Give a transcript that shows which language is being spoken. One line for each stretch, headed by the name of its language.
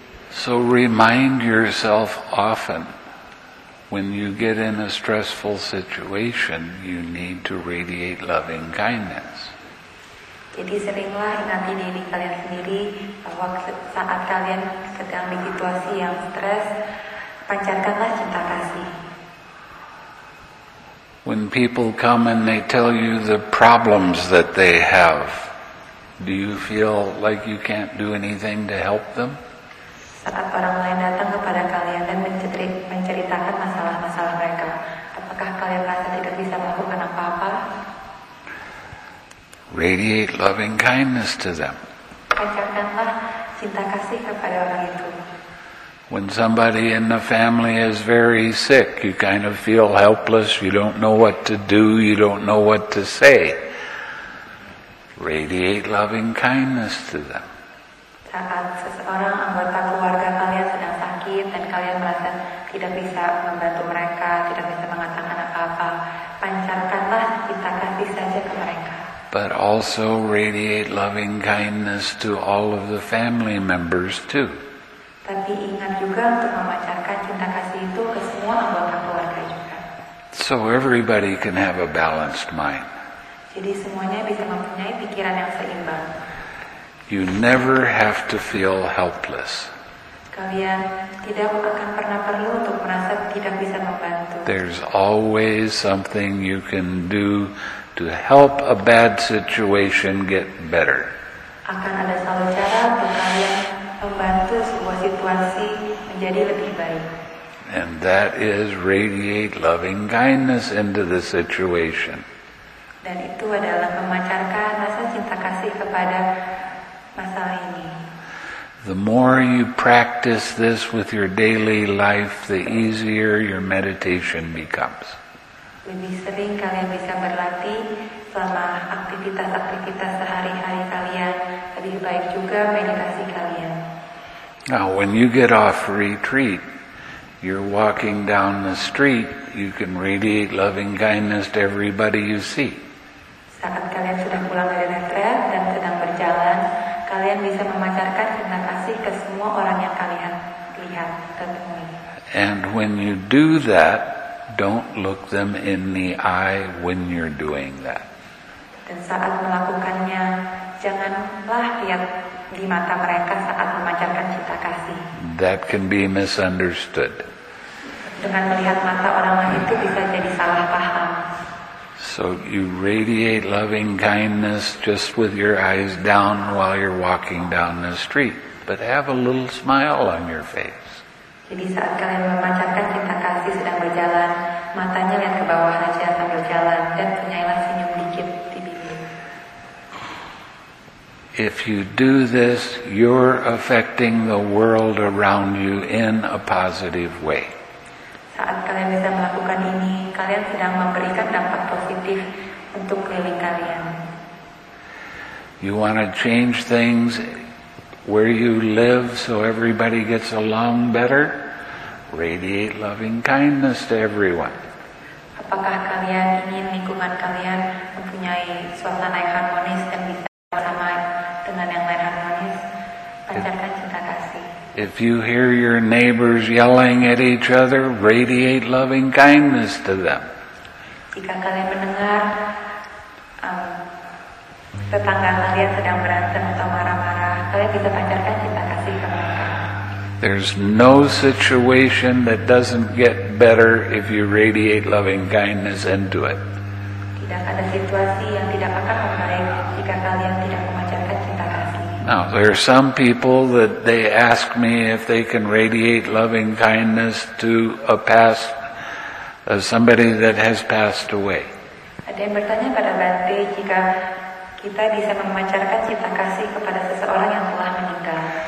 English: So remind yourself often when you get in a stressful situation, you need to radiate loving kindness.
Indonesian: Jadi seringlah ingati diri kalian sendiri bahwa saat kalian sedang di situasi yang stres, pancarkanlah cinta kasih.
English: When people come and they tell you the problems that they have, do you feel like you can't do anything to help them?
Indonesian: Saat orang lain datang kepada kalian dan menceritakan masalah-masalah mereka, apakah kalian merasa tidak bisa melakukan apa-apa?
English: Radiate loving kindness to them.
Indonesian: Pancarkanlah cinta kasih kepada orang itu.
English: When somebody in the family is very sick, you kind of feel helpless, you don't know what to do, you don't know what to say. Radiate loving kindness to them.
Indonesian: Saat seseorang anggota keluarga kalian sedang sakit dan kalian merasa tidak bisa membantu mereka, tidak bisa mengatakan apa-apa, pancarkanlah cinta kasih saja ke mereka.
English: But also radiate loving kindness to all of the family members too.
Indonesian: Tapi ingat juga untuk memancarkan cinta kasih itu ke semua anggota keluarga juga.
English: So everybody can have a balanced mind.
Indonesian: Jadi semuanya bisa mempunyai pikiran yang seimbang.
English: You never have to feel helpless.
Indonesian: Kalian tidak akan pernah perlu untuk merasa tidak bisa membantu.
English: There's always something you can do to help a bad situation get better.
Indonesian: Akan ada selalu cara untuk kalian membantu sebuah situasi menjadi lebih baik.
English: and that is radiate loving kindness into the situation.
Indonesian: Dan itu adalah memancarkan rasa cinta kasih kepada masalah ini.
English: The more you practice this with your daily life, the easier your meditation becomes.
Indonesian: Lebih sering kalian bisa berlatih selama aktivitas-aktivitas sehari-hari kalian, lebih baik juga meditasi kalian.
English: Now, when you get off retreat, you're walking down the street, you can radiate loving kindness to everybody you see.
Indonesian: Saat kalian sudah pulang dari retreat dan sedang berjalan, kalian bisa memancarkan cinta kasih ke semua orang yang kalian lihat, ketemui.
English: And when you do that, don't look them in the eye when you're doing that.
Indonesian: Dan saat melakukannya, janganlah lihat di mata mereka saat memancarkan cinta kasih.
English: That can be misunderstood.
Indonesian: Dengan melihat mata orang lain itu bisa jadi salah paham.
English: So you radiate loving kindness just with your eyes down while you're walking down the street, but have a little smile on your face.
Indonesian: Jadi saat kalian memancarkan cinta kasih sedang berjalan, matanya lihat ke bawah aja sambil jalan dan punyailah senyum dikit di bibir.
English: If you do this, you're affecting the world around you in a positive way.
Indonesian: Saat kalian bisa melakukan ini, kalian sedang memberikan dampak positif untuk keliling kalian.
English: You want to change things where you live so everybody gets along better? Radiate loving kindness to everyone.
Indonesian: Apakah kalian ingin lingkungan kalian mempunyai suasana yang harmonis dan bisa bersama dengan yang lain harmonis? Pancarkan cinta kasih.
English: If you hear your neighbors yelling at each other, radiate loving kindness to them.
Indonesian: Jika kalian mendengar tetangga kalian sedang berantem atau marah-marah, kalian bisa pancarkan cinta kasih ke mereka.
English: There's no situation that doesn't get better if you radiate loving kindness into it.
Indonesian: Tidak ada situasi yang tidak akan membaik jika kalian tidak memancarkan cinta kasih.
English: Now, there are some people that they ask me if they can radiate loving kindness to a past, somebody that has passed away.
Indonesian: Ada yang bertanya pada Bante jika kita bisa memancarkan cinta kasih kepada seseorang yang telah meninggal.